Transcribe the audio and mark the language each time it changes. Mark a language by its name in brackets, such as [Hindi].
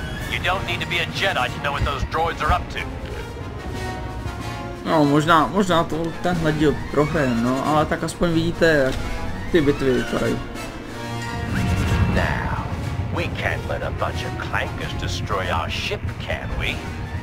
[English] You don't need to be a Jedi to know what those droids are up to. [Czech] No, možná to tenhle díl prohrajeme, no, ale tak aspoň vidíte, jak ty bitvy vypadají. [English] Now, we can't let a bunch of clankers destroy our ship, can we?